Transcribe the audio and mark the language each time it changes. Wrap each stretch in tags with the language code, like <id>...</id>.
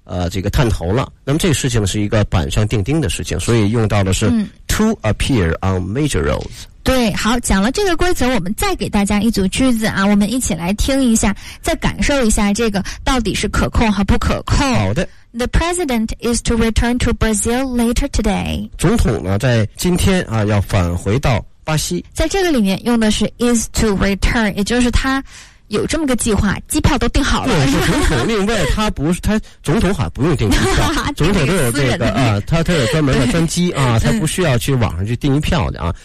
<zh>这个探头了，那么这个事情是一个板上钉钉的事情，所以用到的是</zh> <en>to appear on major roads。</en> <zh>对，好，讲了这个规则，我们再给大家一组句子啊，我们一起来听一下，再感受一下这个到底是可控和不可控。好的。</zh> <en>The president is to return to Brazil later today。</en> <zh>总统呢，在今天啊，要返回到巴西。在这个里面用的是</zh> <en>is to return，</en> <zh>也就是他。有这么个计划，机票都订好了。对，是总统。另外，他不是他总统好像不用订机票，总统都有这个啊，他有专门的专机啊，他不需要去网上去订一票的啊。</zh>